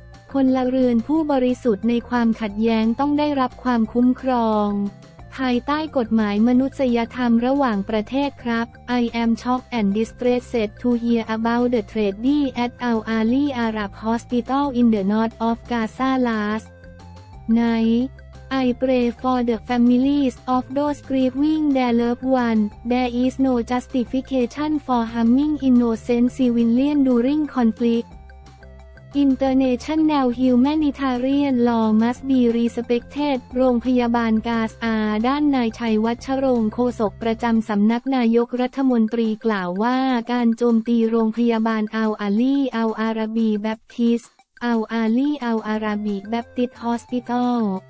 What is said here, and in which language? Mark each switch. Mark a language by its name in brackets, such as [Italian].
[Thai] พลเรือนผู้บริสุทธิ์ในความขัดแย้งต้องได้รับความคุ้มครองภายใต้กฎหมายมนุษยธรรมระหว่างประเทศครับ [English] I am shocked and distressed to hear about the tragedy at Al Ali Arab Hospital in the north of Gaza last night. I pray for the families of those grieving their loved ones. There is no justification for harming innocent civilians during conflict. International Humanitarian Law must be respected [Thai] โรงพยาบาลกาซาด้านนายชัยวัชรงค์โฆษกประจำสำนักนายกรัฐมนตรีกล่าวว่าการโจมตีโรงพยาบาลอัลอาลีอัลอาราบีแบปทิสอัลอาลีอัลอาราบีแบปทิสฮอสปิตอล